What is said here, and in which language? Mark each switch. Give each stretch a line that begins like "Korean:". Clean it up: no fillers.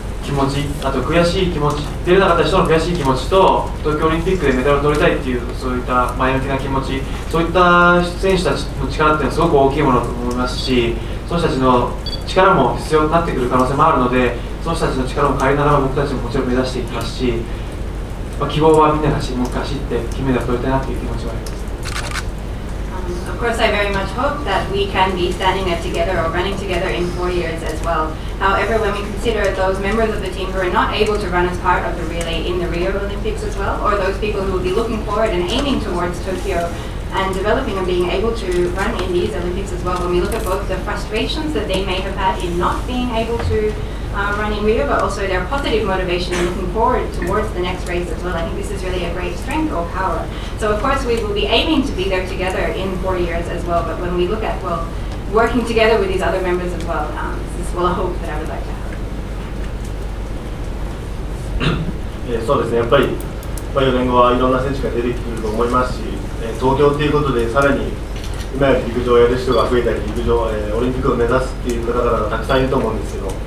Japanese: 気持ち、あと悔しい気持ち、出れなかった人の悔しい気持ちと、東京オリンピックでメダルを取りたいっていう、そういった前向きな気持ち、そういった選手たちの力っていうのはすごく大きいものだと思いますし、その人たちの力も必要になってくる可能性もあるので、その人たちの力を借りながら僕たちももちろん目指していきますし、希望はみんなが走って金メダルを取りたいなという気持ちはあります。
English: Of course, I very much hope that we can be standing there together or running together in 4 years as well. However, when we consider those members of the team who are not able to run as part of the relay in the Rio Olympics as well, or those people who will be looking forward and aiming towards Tokyo and developing and being able to run in these Olympics as well, when we look at both the frustrations that they may have had in not being able to run in Rio, but also their positive motivation and looking forward towards the next race as well. I think this is really a great strength or power. So of course we will be aiming to be there together in 4 years as well, but when we look at, well, working together with these other members as well, this is well, a hope that I would like to have. Yeah, so
Japanese: ですね、やっぱり4年後はいろんな選手が出てくると思いますし、東京ということでさらに今より陸上をやる人が増えたり、陸上、オリンピックを目指すっていう方々がたくさんいると思うんですけど、